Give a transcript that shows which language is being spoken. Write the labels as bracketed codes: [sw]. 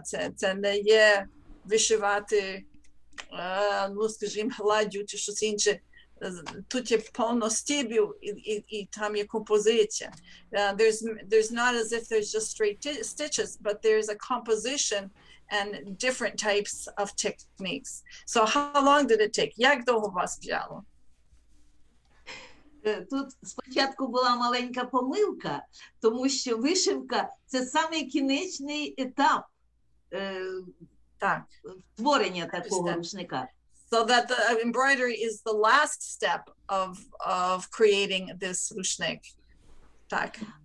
[uk] Це не є вишивати, скажімо, гладдю чи щось інше. Тут є повно стебів і там є композиція. [en] There's not as if there's just straight stitches, but there's a composition and different types of techniques. So how long did it take? [uk] Як довго вас взяло? Тут спочатку була маленька помилка, тому що вишивка – це самий кінечний етап творення такого рушника. [en] So that the embroidery is the last step of creating this рушник. Так.